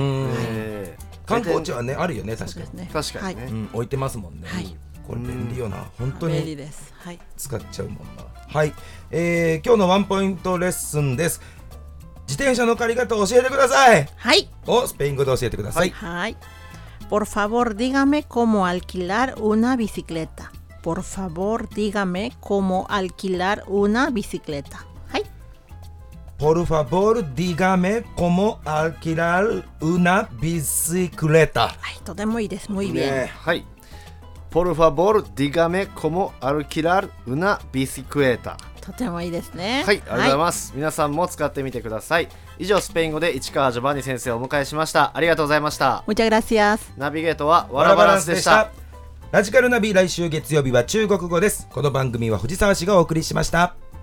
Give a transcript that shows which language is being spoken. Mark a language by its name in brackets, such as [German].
[Japanese] はい、観光地はねあるよね、確かに、ね、確かにね、はい、うん、置いてますもんね、はい、これ便利よな、本当に便利です、はい、使っちゃうもんな、はい、今日のワンポイントレッスンです。自転車の借り方を教えてください。はい、をスペイン語で教えてください。 [Spanish] はい、はい、Por favor dígame cómo alquilar una bicicleta. Por favor dígame cómo alquilar una bicicleta. [Japanese] はい、 [Spanish] Por favor dígame cómo alquilar una bicicleta. [Japanese] はい、とてもいいです、 [Spanish] muy bien、 [Japanese] ね、 [Spanish] はい、Por favor, dígame cómo alquilar una bicicleta. [Japanese] とてもいいですね。はい、ありがとうございます、はい。皆さんも使ってみてください。以上、スペイン語で市川ジョバンニ先生をお迎えしました。ありがとうございました。 [Spanish] Muchas gracias. [Japanese] ナビゲートはワラバランスでした。ラジカルナビ、来週月曜日は中国語です。この番組は藤沢市がお送りしました。